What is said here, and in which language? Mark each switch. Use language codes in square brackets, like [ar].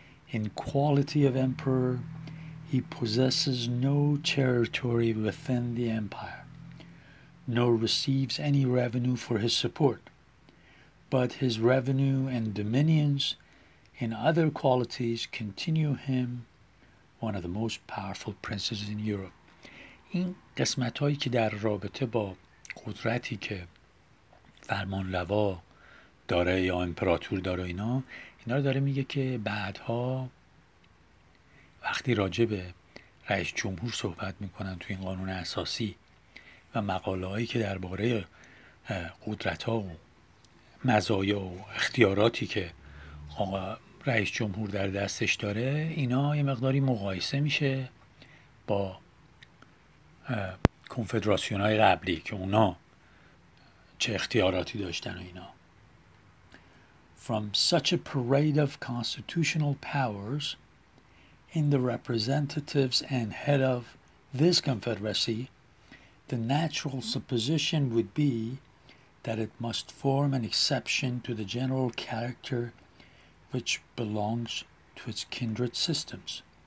[en] In quality of emperor, he possesses no territory within the empire, nor receives any revenue for his support, but his revenue and dominions in other qualities continue him one of the most powerful princes in Europe. [fa] این قسمت هایی که در رابطه با قدرتی که فرمان روا داره یا امپراتور داره اینا، اینا رو داره میگه که بعدها وقتی راجع به رئیس جمهور صحبت میکنن تو این قانون اساسی و مقاله هایی که درباره قدرت ها و مزایا و اختیاراتی که رئیس جمهور در دستش داره، اینا یه مقداری مقایسه میشه با کنفدراسیون های قبلی که اونا چه اختیاراتی داشتن و اینا. [en] From such a parade of constitutional powers in the representatives and head of this confederacy, the natural supposition would be that it must form an exception to the general character which belongs to its kindred systems.